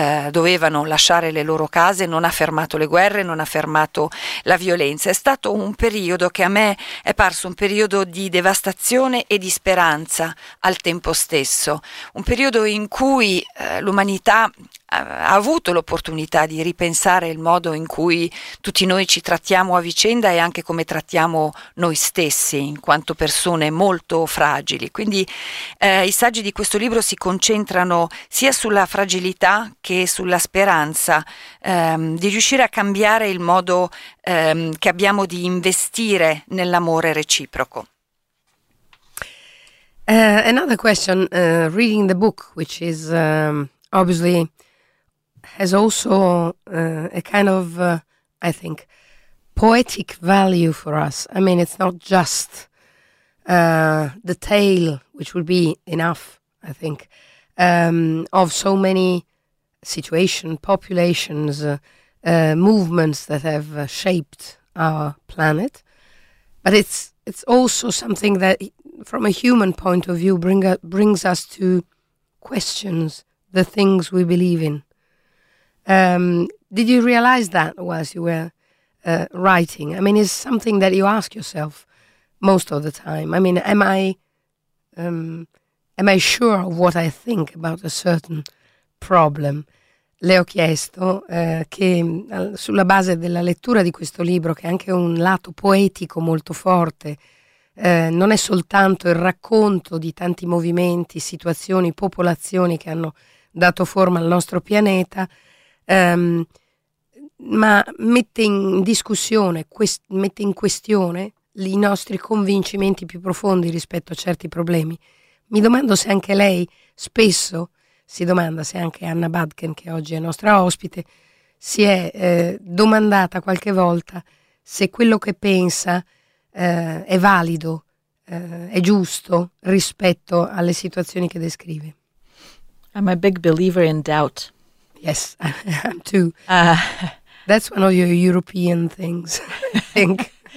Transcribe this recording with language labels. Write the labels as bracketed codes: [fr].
[it] dovevano lasciare le loro case, non ha fermato le guerre, non ha fermato la violenza. È stato un periodo che a me è parso un periodo di devastazione e di speranza al tempo stesso, un periodo in cui l'umanità ha avuto l'opportunità di ripensare il modo in cui tutti noi ci trattiamo a vicenda e anche come trattiamo noi stessi in quanto persone molto fragili. Quindi i saggi di questo libro si concentrano sia sulla fragilità che sulla speranza di riuscire a cambiare il modo che abbiamo di investire nell'amore reciproco. [en] Another question, reading the book, which is obviously has also a kind of, I think, poetic value for us. I mean, it's not just the tale, which would be enough, I think, of so many situations, populations, movements that have shaped our planet, but it's also something that, from a human point of view, brings us to questions the things we believe in. Did you realize that whilst you were writing? I mean, it's something that you ask yourself most of the time. I mean, am I sure of what I think about a certain problem? [it] Le ho chiesto che sulla base della lettura di questo libro, che è anche un lato poetico molto forte, non è soltanto il racconto di tanti movimenti, situazioni, popolazioni che hanno dato forma al nostro pianeta, ma mette in questione i nostri convincimenti più profondi rispetto a certi problemi. Mi domando se anche lei spesso si domanda, se anche Anna Badken, che oggi è nostra ospite, si è domandata qualche volta se quello che pensa è valido, è giusto rispetto alle situazioni che descrive. [en] I'm a big believer in doubt. Yes, I'm too. That's one of your European things, I think.